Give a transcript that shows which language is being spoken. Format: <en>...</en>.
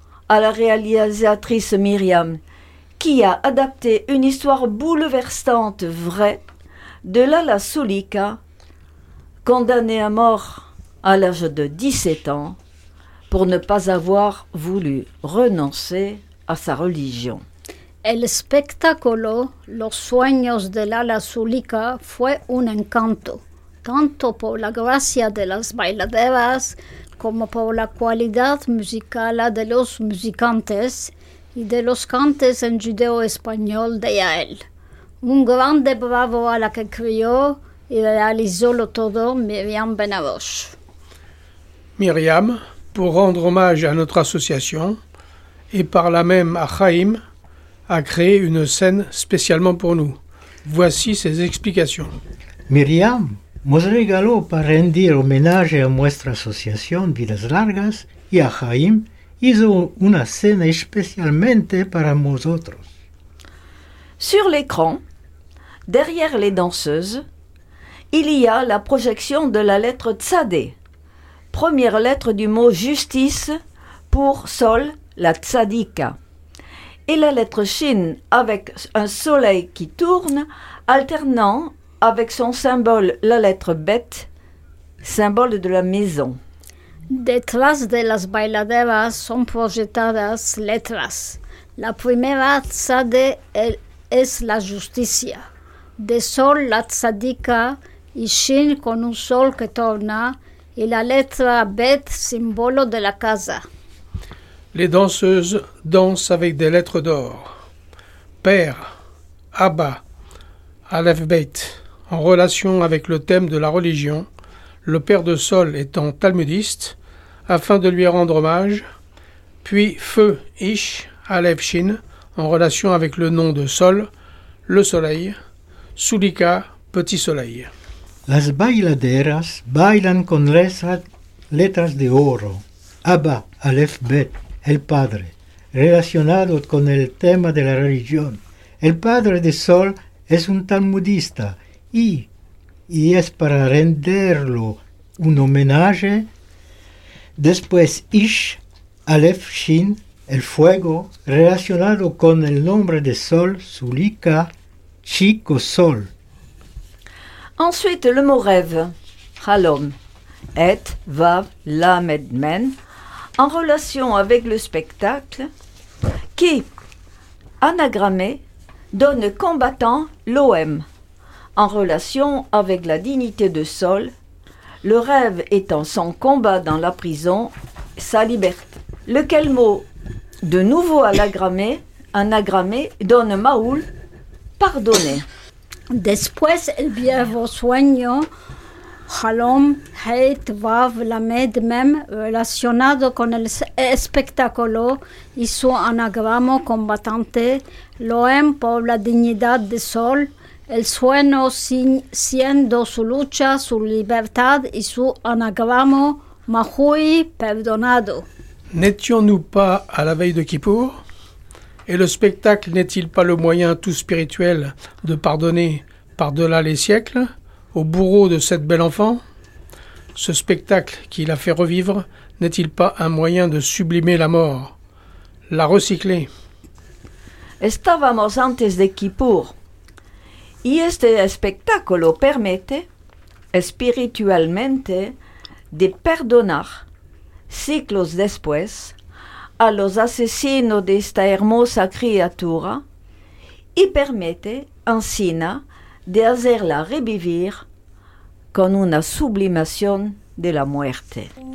<fr>à la réalisatrice Myriam, qui a adapté une histoire bouleversante vraie de Lala Sulika, condamnée à mort à l'âge de 17 ans pour ne pas avoir voulu renoncer à sa religion.</fr> <lad>El espectáculo Los sueños de Lala Sulika fue un encanto, tanto por la gracia de las bailaderas como por la cualidad musical de los musicantes y de los cantes en judeo-español de Yael. Un grande bravo a la que crió y realizó lo todo Myriam Benaroche.</lad> <fr>Myriam, pour rendre hommage à notre association et par là même à Chaim, a créé une scène spécialement pour nous. Voici ses explications.</fr> <lad>Myriam nos regaló para rendir homenaje a nuestra asociación Vidas Largas y a Chaim hizo una escena especialmente para nosotros.</lad> <fr>Sur l'écran, derrière les danseuses, il y a la projection de la lettre Tzadé, première lettre du mot justice pour Sol, la Tzadika. Et la lettre Shin avec un soleil qui tourne, alternant avec son symbole, la lettre Bet, symbole de la maison.</fr> <lad>Detrás de las bailaderas son proyectadas letras. La primera Tzadé es la justicia. De Sol, la Tzadika, y Shin con un sol que torna, y la letra Bet, símbolo de la casa.</lad> <fr>Les danseuses dansent avec des lettres d'or. Père, Abba, Aleph Beit, en relation avec le thème de la religion, le père de Sol étant talmudiste, afin de lui rendre hommage, puis Feu, Ish, Aleph Shin, en relation avec le nom de Sol, le soleil, Sulika, petit soleil.</fr> <lad>Las bailaderas bailan con letras de oro. Abba, Aleph Beit. El padre, relacionado con el tema de la religión. El padre de Sol es un talmudista y es para renderlo un homenaje. Después Ish, Aleph Shin, el fuego, relacionado con el nombre de Sol, Sulika, chico Sol.</lad> <fr>Ensuite, le mot rêve, Halom, Et, Vav, Lamed, Men, en relation avec le spectacle, qui, anagrammé, donne combattant l'OM, en relation avec la dignité de Sol, le rêve étant son combat dans la prison, sa liberté. Lequel mot, de nouveau anagrammé, donne Maoul, pardonner.</fr> <lad>Después el viejo sueño, Halom, Heit, Vav, Lamed, Mem, relacionado con el espectáculo y su anagrama combatante, Loem por la dignidad de Sol, el sueño siendo su lucha, su libertad y su anagrama, Mahui, perdonado.</lad> <fr>¿N'étions-nous pas à la veille de Kippour? Et le spectacle n'est-il pas le moyen tout spirituel de pardonner par-delà les siècles au bourreau de cette belle enfant? Ce spectacle qui l'a fait revivre n'est-il pas un moyen de sublimer la mort, la recycler?</fr> <lad>Estábamos antes de Kippour. Y este espectáculo permite espiritualmente de perdonar siglos después a los asesinos de esta hermosa criatura y permite así de hacerla revivir con una sublimación de la muerte.</lad>